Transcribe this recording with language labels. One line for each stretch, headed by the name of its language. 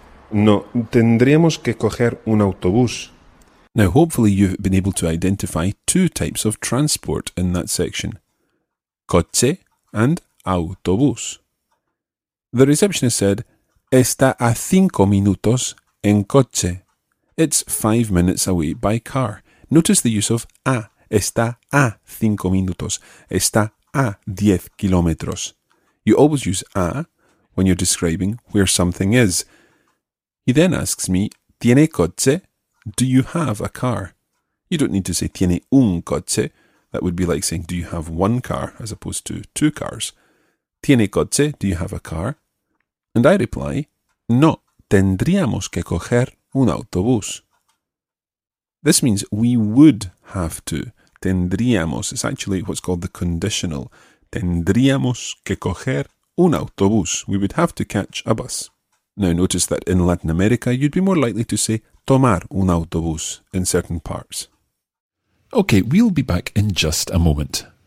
Spanish: No, tendríamos que coger un autobús.
English: Now, hopefully you've been able to identify two types of transport in that section.
Spanish: Coche and autobús.
English: The receptionist said,
Spanish: está a 5 minutos en coche.
English: It's 5 minutes away by car. Notice the use of a.
Spanish: Está a 5 minutos. Está a 10 kilómetros.
English: You always use a when you're describing where something is. He then asks me,
Spanish: ¿tiene coche?
English: Do you have a car? You don't need to say,
Spanish: ¿tiene un coche?
English: That would be like saying, do you have one car as opposed to two cars?
Spanish: ¿Tiene coche?
English: Do you have a car? And I reply,
Spanish: no, tendríamos que coger un autobús.
English: This means we would have to. Tendríamos is actually what's called the conditional.
Spanish: Tendríamos que coger un autobús.
English: We would have to catch a bus. Now notice that in Latin America, you'd be more likely to say
Spanish: tomar un autobús
English: in certain parts. Okay, we'll be back in just a moment.